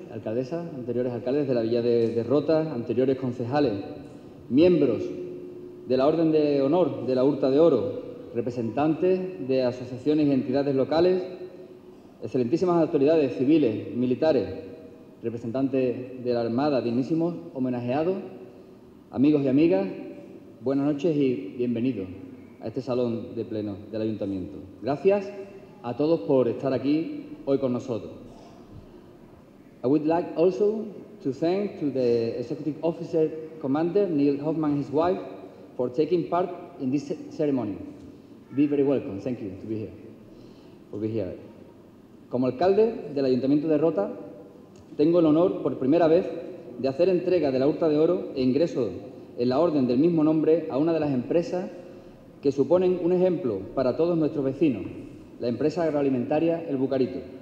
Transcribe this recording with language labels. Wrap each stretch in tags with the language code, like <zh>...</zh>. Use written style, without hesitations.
<es>alcaldesas, anteriores alcaldes de la Villa de Rota, anteriores concejales, miembros de la Orden de Honor de la Hurta de Oro, representantes de asociaciones y entidades locales, excelentísimas autoridades civiles, militares, representantes de la Armada, dignísimos homenajeados, amigos y amigas, buenas noches y bienvenidos a este salón de pleno del Ayuntamiento. Gracias a todos por estar aquí hoy con nosotros.</es> <en>I would like also to thank to the Executive Officer Commander Neil Hoffman and his wife for taking part in this ceremony. Be very welcome. Thank you to be here. For being here.</en> <es>Como alcalde del Ayuntamiento de Rota, tengo el honor por primera vez de hacer entrega de la Hurta de Oro e ingreso en la orden del mismo nombre a una de las empresas que suponen un ejemplo para todos nuestros vecinos, la empresa agroalimentaria El Bucarito.</es>